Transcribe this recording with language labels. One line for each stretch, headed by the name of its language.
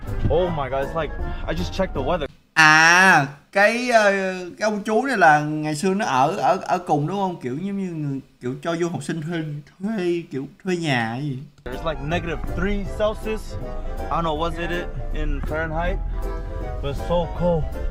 English: Oh my god, it's like I just checked the weather.
Vietnamese: Cái ông chú này là ngày xưa nó ở ở ở cùng đúng không? Kiểu giống như người, kiểu cho du học sinh thuê kiểu thuê nhà gì.
English: There's like negative 3 Celsius. I don't know what it is in Fahrenheit, but it's so cold.